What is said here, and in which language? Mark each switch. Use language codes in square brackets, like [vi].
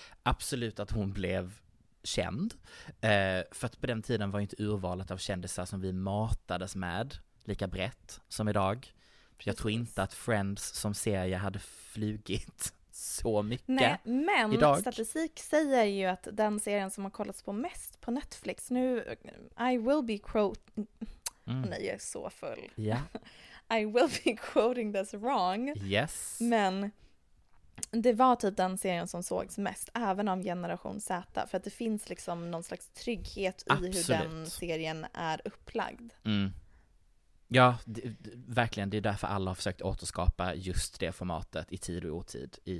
[sv] Absolut att hon blev känd, för att på den tiden var ju inte urvalet av kändisar som vi matades med lika brett som idag. Precis. Jag tror inte att Friends som serie hade flugit så mycket. Nej, men idag. Statistik säger ju att den serien som har kollats på mest på Netflix nu, [en] I will be [sv] nej, jag är så full. Ja. [en] I will be quoting this wrong. Yes. [sv] Men det var typ den serien som sågs mest, även av Generation Z, för att det finns liksom någon slags trygghet i, absolut, hur den serien är upplagd. Mm. Ja, verkligen. Det är därför alla har försökt återskapa just det formatet i tid och otid.